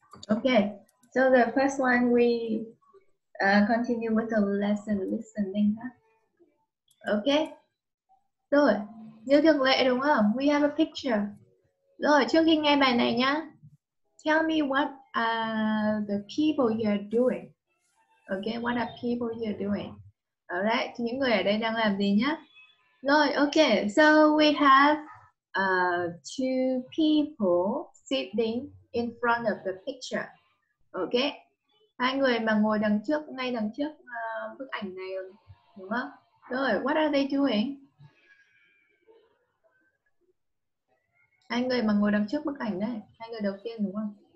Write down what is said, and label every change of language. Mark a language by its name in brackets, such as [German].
[English] Okay, so the first one, we continue with the lesson listening. Huh? [Vietnamese] Okay, rồi, như thường lệ đúng không? [English] We have a picture. [Vietnamese] Rồi, trước khi nghe bài này nhá, [English] tell me what are the people you're doing. Okay, what are people you're doing? [Vietnamese] Alright, những người ở đây đang làm gì nhá? [English] Rồi, okay, so we have two people sitting in front of the picture. Okay. [Vietnamese] Hai người mà ngồi đằng trước, ngay đằng trước bức ảnh này, đúng không? [English] Rồi, what are they doing? [Vietnamese] Hai người mà ngồi đằng trước bức ảnh này, hai người đầu tiên, đúng không?